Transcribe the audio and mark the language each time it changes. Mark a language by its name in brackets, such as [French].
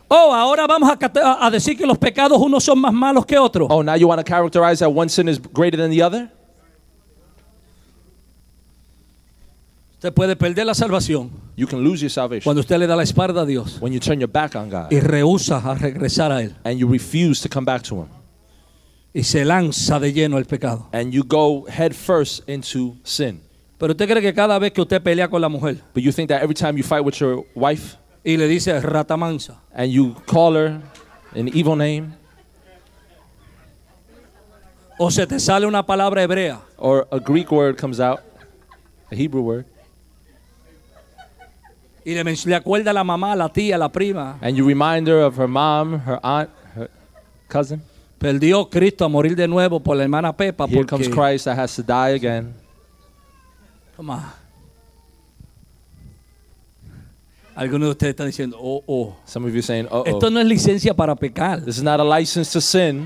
[Spanish] Oh, ahora vamos a decir que los pecados unos son más malos que otros. [English] Oh, now you want to characterize that one sin is greater than the other? [Spanish] Usted puede perder la salvación. [English] You can lose your salvation. [Spanish] Cuando usted le da la espalda a Dios. [English] When you turn your back on God. [Spanish] Y rehúsa a regresar a él. [English] And you refuse to come back to him. [Spanish] Y se lanza de lleno el pecado. [English] And you go head first into sin. [Spanish] Pero usted cree que cada vez que usted pelea con la mujer. [English] But you think that every time you fight with your wife. [Spanish] Y le dice rata mansa. [English] And you call her an evil name. [Spanish] O se te sale una palabra hebrea. [English] Or a Greek word comes out. A Hebrew word. [Spanish] Y le acuerda a la mamá, la tía, la prima. [English] And you remind her of her mom, her aunt, her cousin. [Spanish] Perdió Cristo a morir de nuevo por la hermana Pepa. [English] Here [Spanish] porque [English] comes Christ that has to die again. Come on. [Spanish] Algunos de ustedes están diciendo, oh, oh. [English] Some of you are saying, oh, oh. [Spanish] Esto no es licencia para pecar. [English] This is not a license to sin.